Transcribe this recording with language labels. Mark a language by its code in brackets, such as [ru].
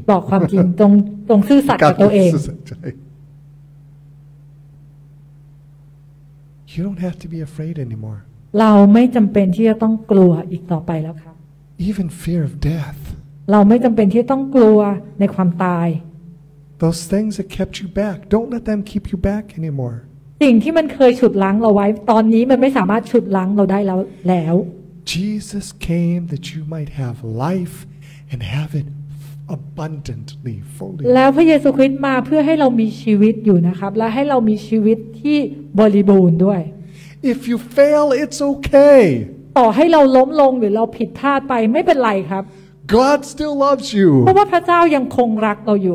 [th] บอกความจริงตรงซื่อสัตย์กับตัวเอง [en] You don't have to be afraid anymore [th] เราไม่จำเป็นที่จะต้องกลัวอีกต่อไปแล้วค่ะ [en] Even fear of death [th] เราไม่จำเป็นที่ต้องกลัวในความตาย [en] Those things that kept you back don't let them keep you back anymore [th] สิ่งที่มันเคยฉุดรั้งเราไว้ตอนนี้มันไม่สามารถฉุดรั้งเราได้แล้ว [en] Jesus came that you might have life and have itAbundantly, fully. [th] แล้วพระเยซูคริสต์มาเพื่อให้เรามีชีวิตอยู่นะครับและให้เรามีชีวิตที่บริบูรณ์ด้วย [en] If you fail, it's okay. [th] ต่อให้เราล้มลงหรือเราผิดพลาดไปไม่เป็นไรครับ [en] God still loves you. [th] เพราะว่าพระเจ้ายังคงรักเราอยู